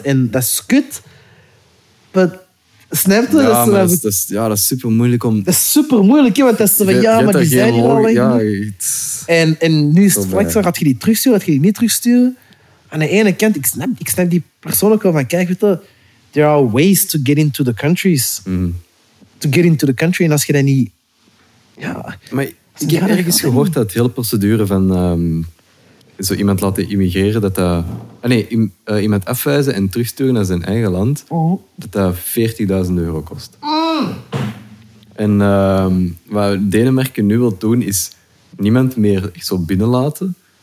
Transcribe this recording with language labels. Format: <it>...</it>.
<nl>En dat is kut. But, snap je? Ja, dat is super moeilijk om... Dat is super moeilijk, want dat is van... Ja, maar die zijn hier al lang. En nu is het vlak zo, had je die terugsturen, had je die niet terugsturen? Aan de ene kant, ik snap die persoonlijk wel van...</nl> <en>Kijk, there are ways to get into the countries. Mm. To get into the country.</en> <nl>En als je dat niet... Ja, maar ik heb ergens gehoord dat hele procedure van... Zo iemand laten immigreren, iemand afwijzen en terugsturen naar zijn eigen land, dat 40.000 euro kost. Mm. En wat Denemarken nu wil doen, is niemand meer zo binnenlaten.</nl>